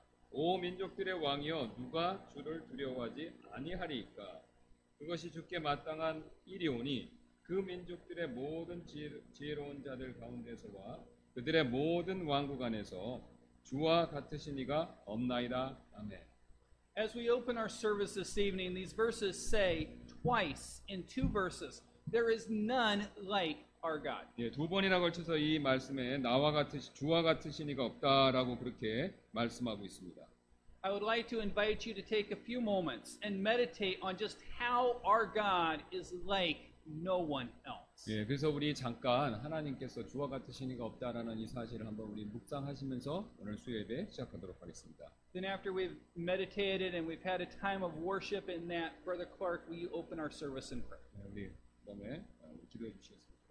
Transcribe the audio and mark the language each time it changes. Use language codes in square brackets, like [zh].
[ko] O 민족들의 왕이여, 누가 주를 두려워하지 아니하리이까? 그것이 주께 마땅한 일이오니 그 민족들의 모든 지혜로운 자들 가운데서와 그들의 모든 왕국 안에서 주와 같으신 이가 없나이다. 아멘. [en] As we open our service this evening, these verses say twice in two verses, there is none like our God. [ko] 예, 두 번이나 걸쳐서 이 말씀에 나와 같으시 주와 같으신 이가 없다라고 그렇게 말씀하고 있습니다. [en] I would like to invite you to take a few moments and meditate on just how our God is like no one else. [ko] 예, 그래서 우리 잠깐 하나님께서 주와 같으신 이가 없다라는 이 사실을 한번 우리 묵상하시면서 오늘 수요예배 시작하도록 하겠습니다. [en] Then after we've meditated and we've had a time of worship in that, Brother Clark, will you open our service in prayer? [ko] 예, 우리 그다음에 기도해 주시겠습니다.